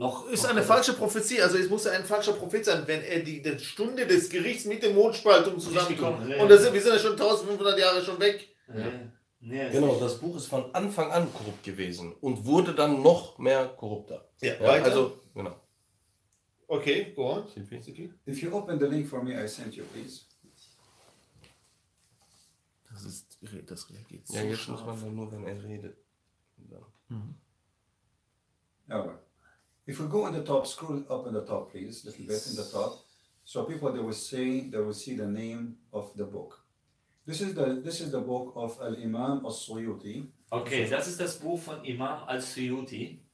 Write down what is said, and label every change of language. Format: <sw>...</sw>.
<de>ist eine falsche Prophezei, also es muss ein falscher Prophet sein, wenn er die Stunde des Gerichts mit der Mondspaltung zusammenkommt. Und wir sind ja schon 1500 Jahre schon weg. Genau, das Buch ist von Anfang an korrupt gewesen und wurde dann noch mehr korrupter. Ja, genau. Okay,</de> <en>go on. If you open the link for me, I sent you, please.</en> <de>Das reagiert so. Ja, jetzt scharf. Muss man nur, wenn er redet. Ja, aber.</de> <en>If we go in the top, scroll up in the top, please, a little bit in the top. So people, they will see the name of the book. This is the book of Al-Imam al-Suyuti.</en> <de>Okay, das ist das Buch von Imam al-Suyuti.</de>